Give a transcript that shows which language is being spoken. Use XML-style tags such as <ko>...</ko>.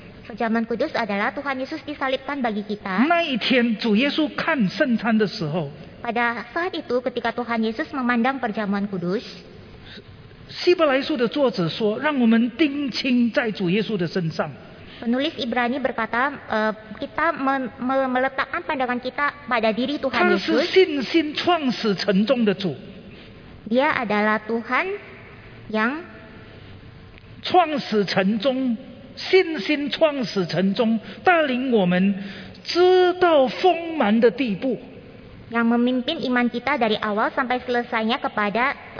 <id>Perjamuan kudus adalah Tuhan Yesus disalibkan bagi kita.</id> <zh>那一天主耶稣看圣餐的时候,</zh> <id>pada saat itu ketika Tuhan Yesus memandang perjamuan kudus,</id> <zh>希伯来书的作者说，让我们定睛在主耶稣的身上。</zh> <id>Penulis Ibrani berkata, kita meletakkan pandangan kita pada diri Tuhan Yesus.</id> <zh>他是信心创始成终的主。</zh> <id>Dia adalah Tuhan yang</id> <zh>创始成终，信心创始成终，带领我们知道丰满的地步。</zh> <id>Yang memimpin iman kita dari awal sampai selesainya kepada</id>